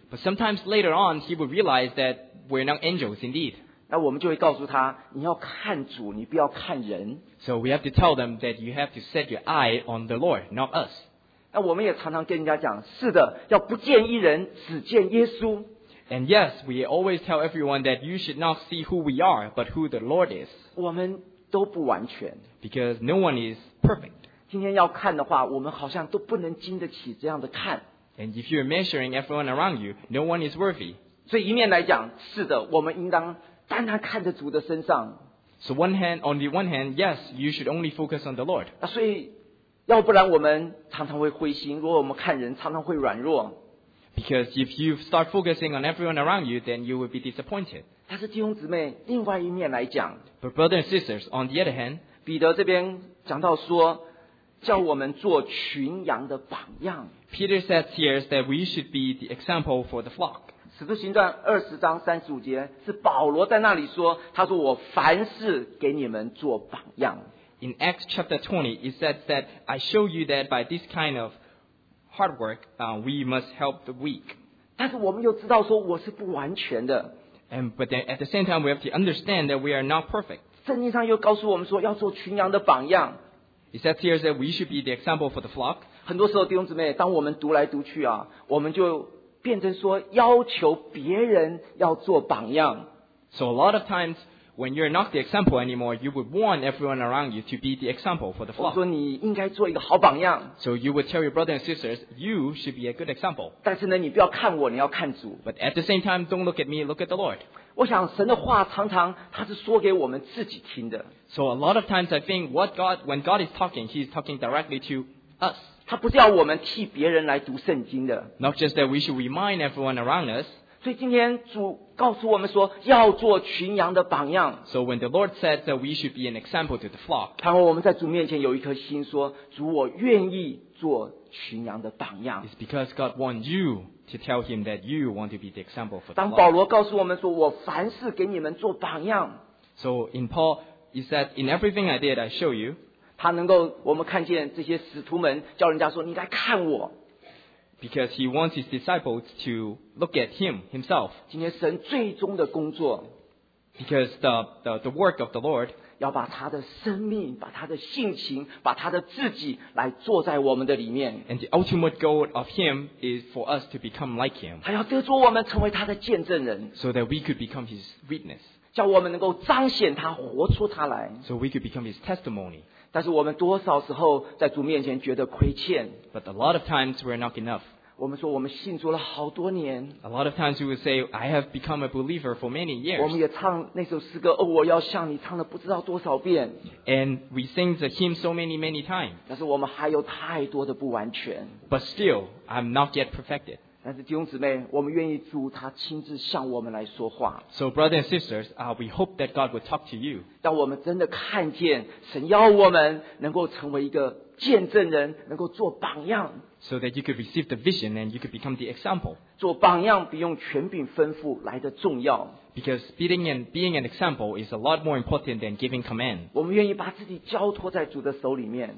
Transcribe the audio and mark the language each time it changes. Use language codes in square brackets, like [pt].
[en] But sometimes later on, he would realize that we're not angels indeed. [zh] 那我们就会告诉他，你要看主，你不要看人。 [en] So we have to tell them that you have to set your eye on the Lord, not us. [zh] 那我们也常常跟人家讲，是的，要不见一人，只见耶稣。 [en] And yes, we always tell everyone that you should not see who we are, but who the Lord is. [zh] 我们都不完全。 [en] Because no one is perfect. [zh] 今天要看的话，我们好像都不能经得起这样的看。 [en] And if you're measuring everyone around you, no one is worthy. [zh] 所以一面来讲，是的，我们应当。单单看着主的身上。 [en] So one hand, on the one hand, yes, you should only focus on the Lord. [zh] 所以，要不然我们常常会灰心。如果我们看人，常常会软弱。 [en] Because if you start focusing on everyone around you, then you will be disappointed. [zh] 但是弟兄姊妹，另外一面来讲。 [en] But brothers and sisters, on the other hand, [zh] 彼得这边讲到说，叫我们做群羊的榜样。 [en] Peter says here that we should be the example for the flock. [zh] 使徒行传二十章三十五节是保罗在那里说，他说我凡事给你们做榜样。 [en] In Acts chapter 20, it says that I show you that by this kind of hard work, we must help the weak. [zh] 但是我们又知道说我是不完全的。 [en] And but then at the same time, we have to understand that we are not perfect. [zh] 圣经上又告诉我们说要做群羊的榜样。 [en] It says here that we should be the example for the flock. [zh] 很多时候弟兄姊妹，当我们读来读去啊，我们就。变成说要求别人要做榜样。 [en] So a lot of times when you're not the example anymore, you would want everyone around you to be the example for the flock. [zh] 我说你应该做一个好榜样。 [en] So you would tell your brothers and sisters, you should be a good example. [zh] 但是呢，你不要看我，你要看主。 [en] But at the same time, don't look at me, look at the Lord. [zh] 我想神的话常常他是说给我们自己听的。 [en] So a lot of times I think what God, when God is talking, He's talking directly to us. [zh] 他不是要我们替别人来读圣经的。 [en] Not just that we should remind everyone around us. [zh] 所以今天主告诉我们说要做群羊的榜样。 [en] So when the Lord said that we should be an example to the flock. [zh] 然后我们在主面前有一颗心说，主我愿意做群羊的榜样。 [en] It's because God wants you to tell him that you want to be the example for the flock. [zh] 当保罗告诉我们说，我凡事给你们做榜样。 [en] So in Paul, he said, in everything I did, I show you. [zh] 他能够我们看见这些使徒们叫人家说你来看我 [en] because he wants his disciples to look at him himself [zh] 今天神最终的工作 [en] because the work of the Lord [zh] 要把他的生命把他的性情把他的自己来做在我们的里面 [en] and the ultimate goal of him is for us to become like him [zh] 他要得着我们成为他的见证人 [en] so that we could become his witness [zh] 叫我们能够彰显他活出他来 [en] so we could become his testimony [zh] 但是我们多少时候在主面前觉得亏欠 [en] But a lot of times we're not enough. [zh] 我们说我们信主了好多年 [en] A lot of times we would say, I have become a believer for many years. [zh] 我们也唱那首诗歌、哦、我要向你唱了不知道多少遍 [en] And we sing the hymn so many, many times. [zh] 但是我们还有太多的不完全 [en] But still, I'm not yet perfected. [zh] 但是弟兄姊妹我们愿意主他亲自向我们来说话 [en] So brothers and sisters, we hope that God will talk to you. [zh] 让我们真的看见神要我们能够成为一个见证人能够做榜样 [en] so that you could receive the vision and you could become the example [zh] 做榜样比用权柄吩咐来得重要 [en] Because speeding and being an example is a lot more important than giving command. [zh] 我们愿意把自己交托在主的手里面。